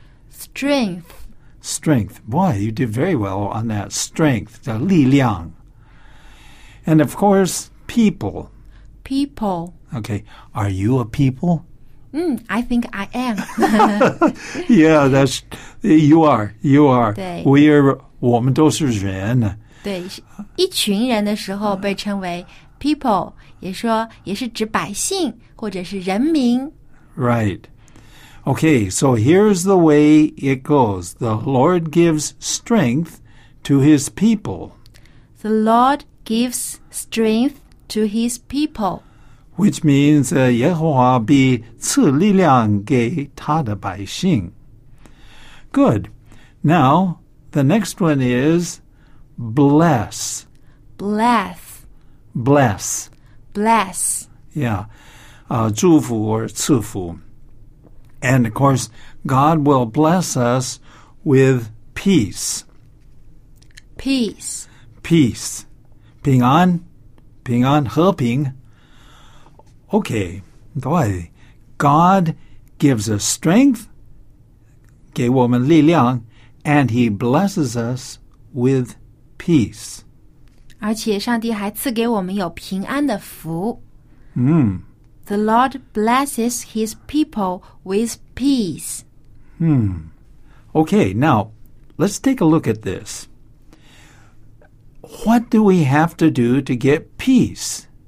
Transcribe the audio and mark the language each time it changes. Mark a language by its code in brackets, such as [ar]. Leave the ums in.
[en] Strength strength. Boy, you did very well on that strength, the li liang. And of course, people. People. Okay, are you a people? Mm, I think I am. yeah, that's you are. You are. We are. are. [zh] 我们都是人。对，一群人的时候被称为 people，也说也是指百姓或者是人民。 [en] Right. Okay, so here's the way it goes The Lord gives strength to his people. The Lord gives strength to his people. Which means uh, [zh] 耶和华必赐力量给他的百姓. [en] Good. Now, the next one is bless. Bless. Bless. Bless. bless. Yeah. Uh, [zh] 祝福 [en] or [zh] 赐福. [en] And of course, God will bless us with peace. Peace. Peace. Ping on. Ping on. He ping. Okay. God gives us strength. liang, And he blesses us with peace. [zh] 而且上帝还赐给我们有平安的福。嗯。Mm. [en] The Lord blesses his people with peace. Hmm. Okay, now let's take a look at this. What do we have to do to get peace?